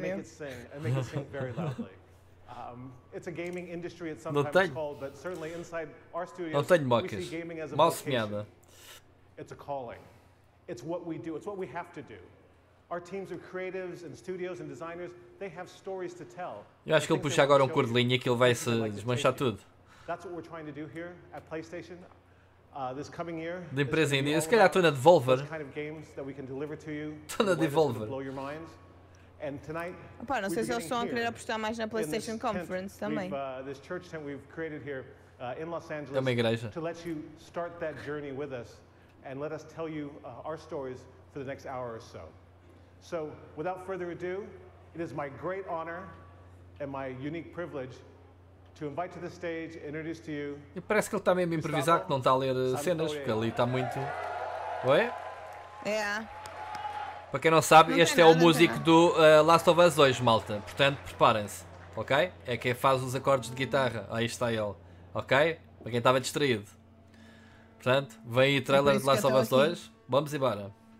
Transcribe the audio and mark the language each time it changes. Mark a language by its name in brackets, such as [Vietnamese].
[English] make it sing very loudly. It's a gaming industry, it's sometimes called, but certainly inside our studios, we see gaming as a vocation. It's a calling. It's what we do. It's what we have to do. Our teams of creatives and studios and designers, they have stories to tell. [Portuguese] Eu acho que ele puxa agora um cor de linha que ele vai se desmanchar tudo. [English] That's what we're trying to do here at PlayStation. This coming year, [Portuguese] de empresa indie. Se calhar estou na Devolver. [English] Kind of games that we can deliver to you. [Portuguese] Estou na Devolver. [English] Blow your minds. And tonight, [Portuguese] opa, não sei se eles estão a querer apostar mais na PlayStation Conference também. [English] This church tent we've created here in Los Angeles. [Portuguese] É uma igreja. [English] To let you start that journey with us and let us tell you our stories for the next hour or so. So, without further ado, it is my great honor and my unique privilege to invite to the stage and introduce to you. [Portuguese] E parece que ele está mesmo a improvisar, que não está a ler cenas, porque ali está muito. Oi? [English] Yeah. [Portuguese] Para quem não sabe, não, este é o músico do Last of Us 2, malta. Portanto, preparem-se, ok? É quem faz os acordes de guitarra. Aí está ele, ok? Para quem estava distraído. Portanto, vem aí o trailer de Last of Us 2. Vamos embora.